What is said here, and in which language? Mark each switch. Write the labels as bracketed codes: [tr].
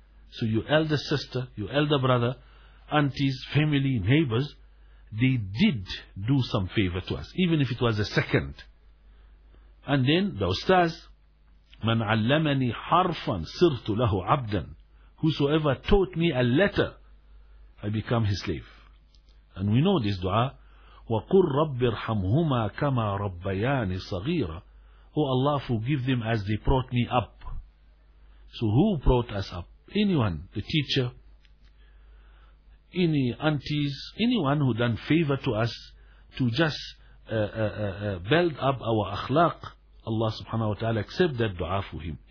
[en] So your elder sister, your elder brother, aunties, family, neighbors, they did do some favor to us, even if it was a second. And then the ustaz, [ar] man allamani harfan sirtu lahu abdan. [en] Whosoever taught me a letter, I become his slave. And we know this dua, [ar] وَقُلْ رَبِّ ارْحَمْهُمَا كَمَا رَبَّيَانِ صَغِيرًا. [en] Oh Allah, forgive them as they brought me up. So who brought us up? Anyone, the teacher, any aunties, anyone who done favor to us to just build up our akhlaq, Allah subhanahu wa ta'ala accept that dua for him.